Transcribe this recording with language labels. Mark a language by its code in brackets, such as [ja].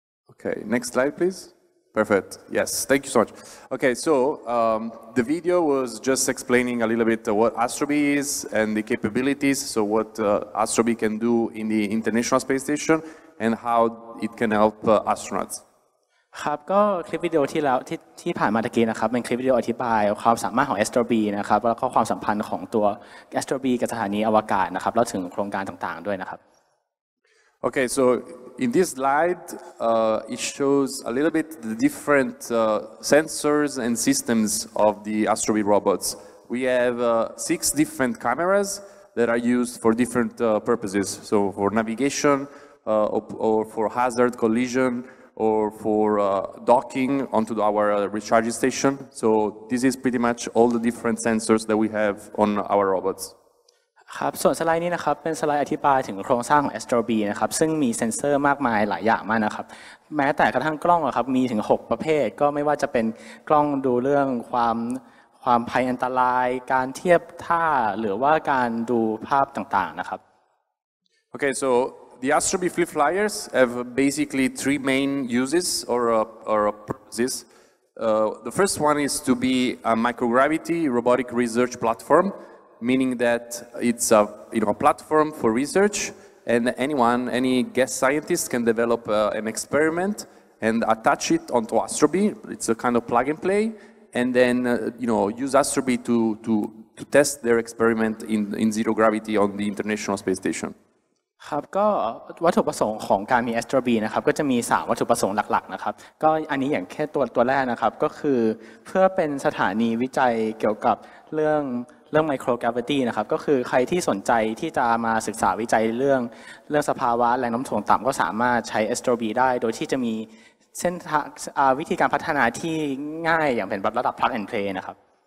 [en] Okay, next slide, please. Perfect. Yes, thank you so much. Okay, so the video was just explaining a little bit what Astrobee is and the capabilities, so what Astrobee can do in the International Space Station and how it can help astronauts. [th] ครับก็คลิปวิดีโอที่แล้วที่ผ่านมาตะกี้นะครับเป็นคลิปวิดีโอที่อธิบายความสามารถของ Astrobee นะครับแล้วก็ความสัมพันธ์ของตัว Astrobee กับสถานีอวกาศนะครับแล้วถึงโครงการต่างๆด้วยนะครับ [en] โอเค so in this slide it shows a little bit the different sensors and systems of the Astrobee robots. We have six different cameras that are used for different purposes, so for navigation or for hazard collision,or for docking onto our recharge station. So this is pretty much all the different sensors that we have on our robots. [th] ครับส่วนสไลด์นี้นะครับเป็นสไลด์อธิบายถึงโครงสร้างของ Astrobee นะครับซึ่งมีเซ็นเซอร์มากมายหลายอย่างมากนะครับแม้แต่กระทั่งกล้องครับมีถึง6ประเภทก็ไม่ว่าจะเป็นกล้องดูเรื่องความภัยอันตรายการเทียบท่าหรือว่าการดูภาพต่างๆนะครับ [en] โอเค soThe Astrobee Flip Flyers have basically three main uses or purposes. The first one is to be a microgravity robotic research platform, meaning that it's a, you know, a platform for research, and anyone, any guest scientist can develop an experiment and attach it onto Astrobee. It's a kind of plug and play, and then you know, use Astrobee to test their experiment in zero gravity on the International Space Station. [th] ครับก็วัตถุประสงค์ของการมี Astrobee นะครับก็จะมี3วัตถุประสงค์หลักๆนะครับก็อันนี้อย่างแค่ตัวแรกนะครับก็คือเพื่อเป็นสถานีวิจัยเกี่ยวกับเรื่องไมโครแกรฟิตี้นะครับก็คือใครที่สนใจที่จะมาศึกษาวิจัยเรื่องสภาวะแรงโน้มถ่วงต่ำก็สามารถใช้ Astrobee ได้โดยที่จะมีเส้นทางวิธีการพัฒนาที่ง่ายอย่างเป็นระดับ plug and play นะครับ